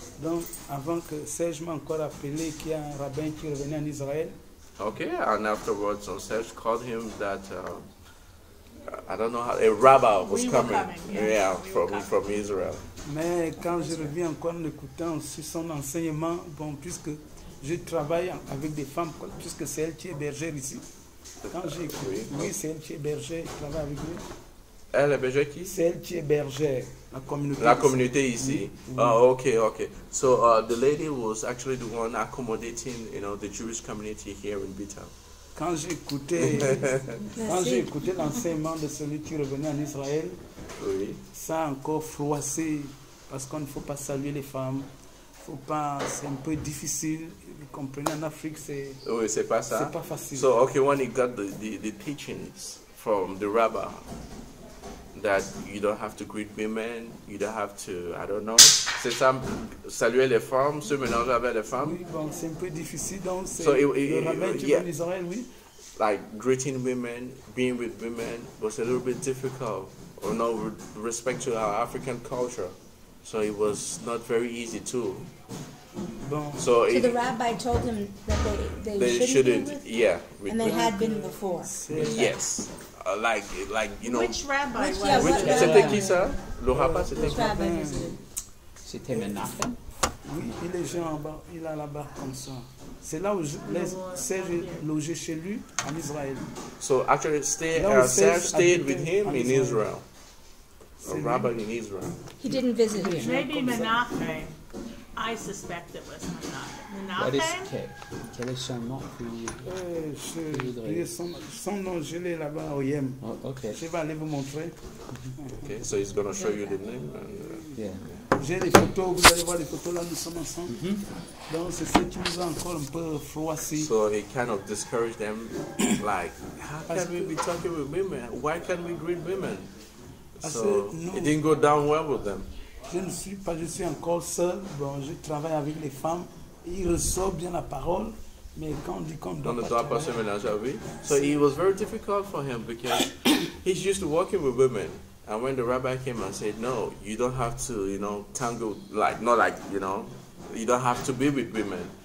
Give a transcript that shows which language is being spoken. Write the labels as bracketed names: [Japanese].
[French] Donc avant que Serge m'a encore appelé qu'il y a un rabbin qui revenait en Israël. [English] Okay, and afterwards Serge called him that I don't know how a rabbi was coming from Israel. [French] Mais quand je reviens encore en écoutant aussi son enseignement, bon, puisque je travaille avec des femmes, puisque c'est elle qui est bergère ici. Quand j'écoute, oui, c'est elle qui est bergère, je travaille avec lui. Elle est bergère qui? C'est elle qui est bergère, la communauté. La communauté ici. Oui. Oh, ok, ok. [English] So the lady was actually the one accommodating, you know, the Jewish community here in Bethel. [French] Quand j'écoutais l'enseignement de celui qui revenait en Israël, oui, ça a encore froissé, parce qu'on ne faut pas saluer les femmes, faut pas, c'est un peu difficile. Vous comprenez, en Afrique c'est, oui, c'est pas ça, c'est pas facile. [English] So okay, when he got the teachings from the rabbi that you don't have to greet women, you don't have to, I don't know, [French] c'est ça, saluer les femmes, se mélanger avec les femmes. Oui, bon, c'est un peu difficile, donc c'est so le rabbin en Israël, oui. [English] Like greeting women, being with women was a little bit difficult. Or no, respect to our African culture, so it was not very easy too. Bon. So, the rabbi told him that they shouldn't be with, yeah, with, and they had been before. Yes, like you know. Which rabbi? [French] C'était qui ça? Le rabbi, c'était qui? C'était Menachem. Oui, il est en bas, il est là-bas comme ça. C'est là où Serge est logé chez lui en Israël. [English] So actually, Serge stayed with him in Israel. Israel. A rabbi in Israel. He didn't visit him. Maybe Menachem. I suspect it was Menachem. [French] Quel est son nom? Son nom, je l'ai là-bas au Yem. Oh, okay. Je vais aller vous montrer. [English] Okay, so he's going to show you the name. And, [French] J'ai des photos, vous allez voir les photos là, nous sommes ensemble. Mm-hmm. Donc c'est ce qui nous a encore un peu froissé. [English] So he kind of discouraged them, like, how can we be talking with women? Why can't we greet women? So it didn't go down well with them. [French] Je suis encore seul. Bon, je travaille avec les femmes. Ils reçoivent bien la parole, mais quand on dit qu'on ne doit pas se mélanger, oui. [English] So it was very difficult for him because he's used to working with women. And when the rabbi came and said, no, you don't have to, you know, tangle, like, not like, you know, you don't have to be with women.